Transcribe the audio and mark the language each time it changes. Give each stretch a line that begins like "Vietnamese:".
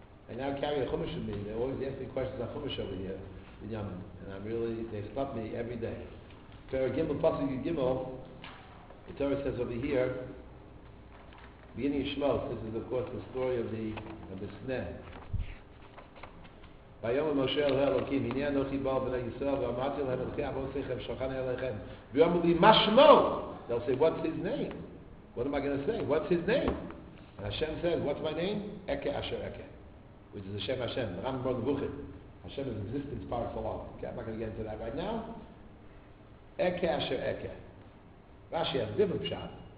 English: I now carry a Chumash with me. They're always asking questions on Chumash over here in Yemen. And I'm really, they stop me every day. Perek Gimel, Pasuk Gimel, the Torah says over here, beginning of Shmos, this is of course the story of the snare.
Hebrew: ויאמר משה אל אלוקים, הנה אנוכי בא בני ישראל, ואמרתי להם, אלוקי אבותיכם, שכן אליכם. ויאמרו לי, מה שמו?
English: They'll say, what's his name? What am I going to say? What's his name? And Hashem says, what's my name? Eke Asher Eke. Which is Hashem Hashem. Ram Bron Buchit. Hashem is existence par excellence. Okay, I'm not going to get into that right now. Eke Asher Eke. Rashi has different pshat.